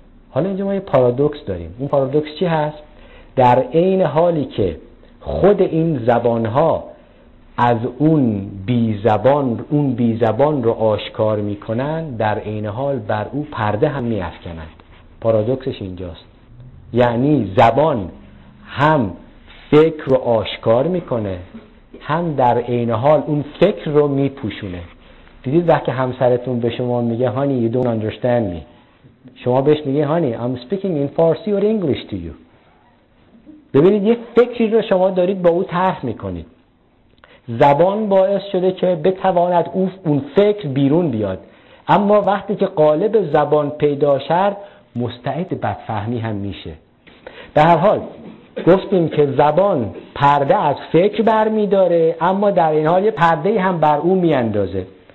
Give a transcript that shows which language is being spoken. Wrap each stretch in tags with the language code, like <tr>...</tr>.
<fa>حالا اینجا ما یه پارادوکس داریم. اون پارادوکس چی هست؟ در این حالی که خود این زبانها از اون بی زبان، اون بی زبان رو آشکار می کنن، در این حال بر او پرده هم می افکنند. پارادوکسش اینجاست. یعنی زبان هم فکر رو آشکار میکنه، هم در این حال اون فکر رو میپوشونه. دیدید وقتی همسرتون به شما میگه هانی</fa> <en>you don't understand me،</en> <fa>شما بهش میگه هانی</fa> <en>I'm speaking in Farsi or English to you.</en> <fa>ببینید یه فکری رو شما دارید با او طرح میکنید. زبان باعث شده که بتواند اون فکر بیرون بیاد، اما وقتی که قالب زبان پیدا شد مستعد بدفهمی هم میشه. به هر حال گفتیم که زبان پرده از فکر برمیداره، اما در این حال یه پرده هم بر اون میاندازه.</fa>